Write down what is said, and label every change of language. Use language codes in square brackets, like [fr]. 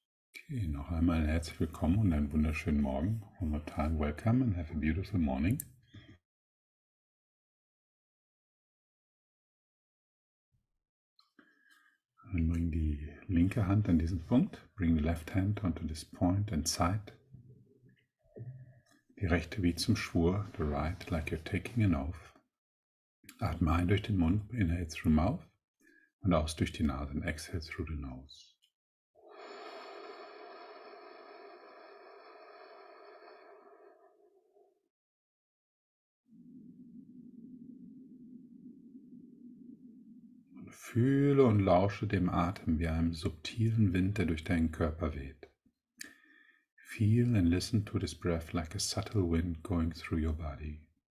[de] Okay, noch einmal herzlich willkommen und einen wunderschönen Morgen. [en] One more time, welcome and have a beautiful morning. [de] Dann bring die linke Hand an diesen Punkt. [en] Bring the left hand onto this point and side. [de] Die rechte wie zum Schwur. [en] The right like you're taking an oath. [de] Atme ein durch den Mund. [en] Inhale through mouth. [de] Und aus durch die Nase. [en] And exhale through the nose. [de] Fühle und lausche dem Atem wie einem subtilen Wind, der durch deinen Körper weht. [en] Feel and listen to this breath like a subtle wind going through your body.